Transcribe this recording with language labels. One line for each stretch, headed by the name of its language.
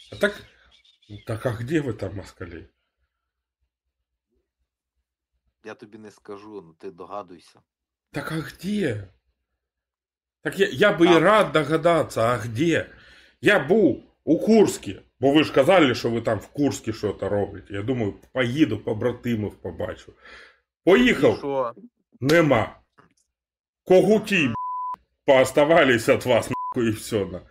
Russian: А так, так а где вы там, москали?
Ukrainian: Я тобі не скажу, ну ти догадуйся.
Russian: Так а где? Так я бы и Там. рад догадаться, а где? Я был у Курске, бо вы же сказали, что вы там в Курске что-то робите.
Ukrainian: Я думаю, поїду, побратимов побачу. І Поїхав, що? нема.
Russian: Когуті, пооставались от вас, нахуй, и все.